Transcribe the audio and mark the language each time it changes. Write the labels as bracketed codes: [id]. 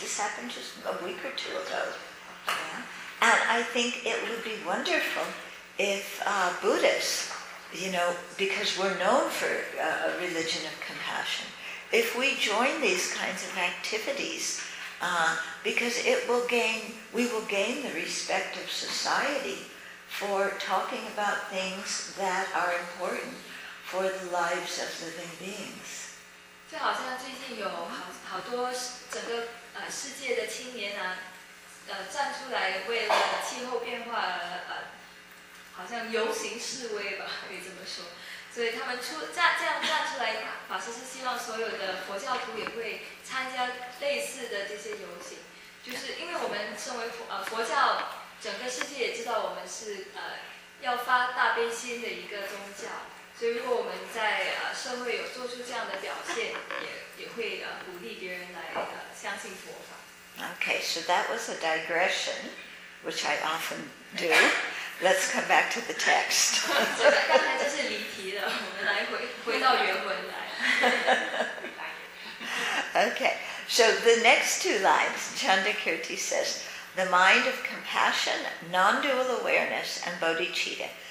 [en] This happened just a week or two ago. Yeah. And I think it would be wonderful if Buddhists, you know, because we're known for a religion of compassion, if we join these kinds of activities, because we will gain the respect of society for talking about things that are important. For the lives of living beings. [zh] 就好像最近有好多整个世界的青年啊，站出来为了气候变化好像游行示威吧，可以这么说。所以他们这样站出来，法师是希望所有的佛教徒也会参加类似的这些游行，就是因为我们身为佛教，整个世界也知道我们是要发大悲心的一个宗教。所以如果我们在社会有做出这样的表现，也会鼓励别人来相信佛法。 [en] Okay, so that was a digression, which I often do. Let's come back to the text. [zh] 刚才就是离题了，我们来回到原文来。 [en] Okay, so the next two lines, Chandrakirti says, the mind of compassion, non-dual awareness, and bodhicitta.